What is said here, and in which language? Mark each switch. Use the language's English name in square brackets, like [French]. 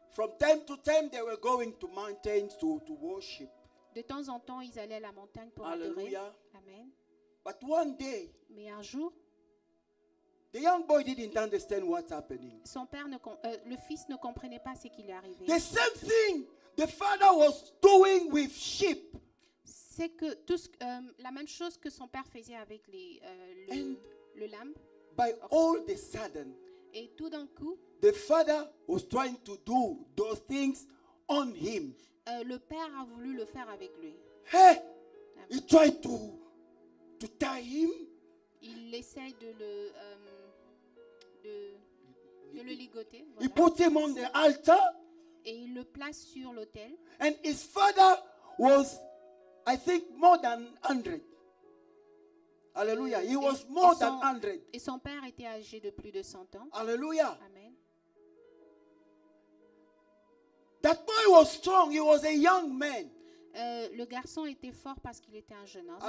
[English] From time to time they were going to mountains to worship. [French] De temps en temps, ils allaient à la montagne pour alléluia. Adorer. Amen. [English] But one day, [French] mais un jour, [English] the young boy didn't understand what's happening. [French] Son père le fils ne comprenait pas ce qui lui arrivait. [English] The same thing the father was doing with sheep. [French] C'est que tout ce, la même chose que son père faisait avec les le lambe. [English] By all the sudden, [French] et tout d'un coup, [English] the father was trying to do those things on him. [French] Le père a voulu le faire avec lui. [English] Hey, he tried to tie him. [French] Il essaie de le ligoter. Voilà. [English] He put him on the altar. [French] Et il le place sur l'autel. [English] And his father was, I think, more than 100. Hallelujah. He was more than 100. [French] Et son père était âgé de plus de 100 ans. [English] Hallelujah. Amen. That boy was strong. He was a young man. [French] Le garçon était fort parce qu'il était un jeune homme.